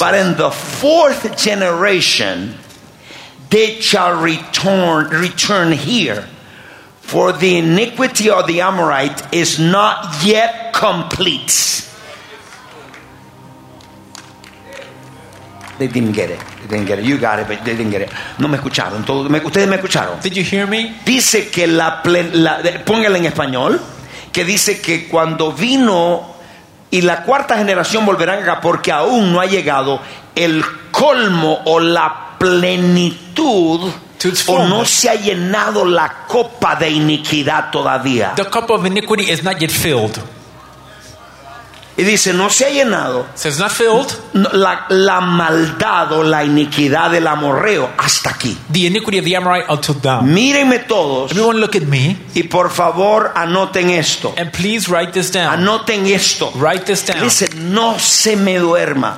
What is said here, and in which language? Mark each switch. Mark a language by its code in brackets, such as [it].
[en] But in the fourth generation they shall return here. For the iniquity of the Amorite is not yet complete. They didn't get it. They didn't get it. You got it, but they didn't get it. [es] No me escucharon. Ustedes me escucharon. [en] Did you hear me? [es] Dice que póngale en español, que dice que cuando vino y la cuarta generación volverán acá porque aún no ha llegado el colmo o la plenitud. O no se ha llenado la copa de iniquidad todavía. [en] The cup of iniquity is not yet filled. [es] Y dice, no se ha llenado. [en] So it's not filled. [es] La maldad o la iniquidad del amorreo hasta aquí. [en] The iniquity of the Amorite until now. [es] Mírenme todos. [en] Everyone look at me. [es] Y por favor, anoten esto. [en] And please write this down. [es] Anoten esto. [en] Write this down. [es] Dice, no se me duerma.